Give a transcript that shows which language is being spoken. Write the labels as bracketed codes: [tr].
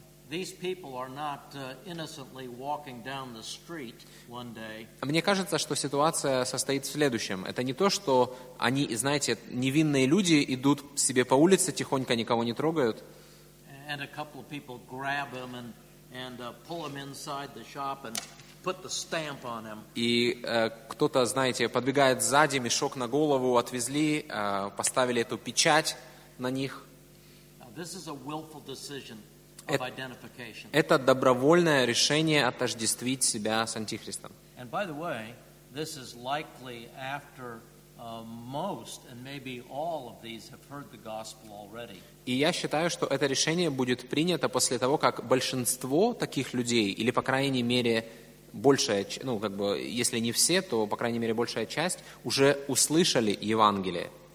[en] These people are not innocently walking down the street one day. [ru] Мне кажется, что ситуация состоит в следующем. Это не то, что они, знаете, невинные люди идут себе по улице, тихонько никого не трогают. [en] And a couple of people grab them and pull them inside the shop and put the stamp on him. [ru] И кто-то, знаете, подбегает сзади, мешок на голову отвезли, поставили эту печать на них. [en] This is a willful decision of identification. [ru] Это добровольное решение отождествить себя с Антихристом. [en] And by the way, this is likely after most and maybe all of these have heard the gospel already. [ru] И я считаю, что это решение будет принято после того, как большинство таких людей, или по крайней мере большая, ну, как бы, если не все, то, по крайней мере, большая часть уже услышали Евангелие.